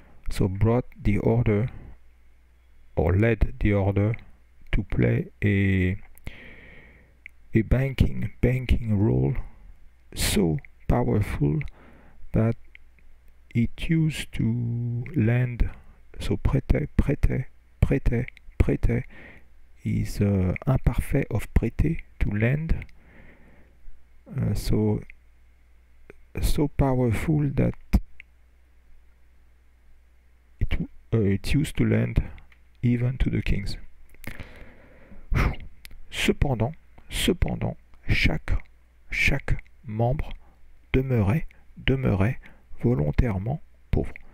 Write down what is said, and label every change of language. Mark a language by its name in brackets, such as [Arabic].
[English] So brought the order, or led the order to play a banking role so powerful that it used to lend. So prêtait is imparfait of prêter, to lend. So powerful that it used to lend even to the kings. [French] Cependant, chaque membre demeurait volontairement pauvre.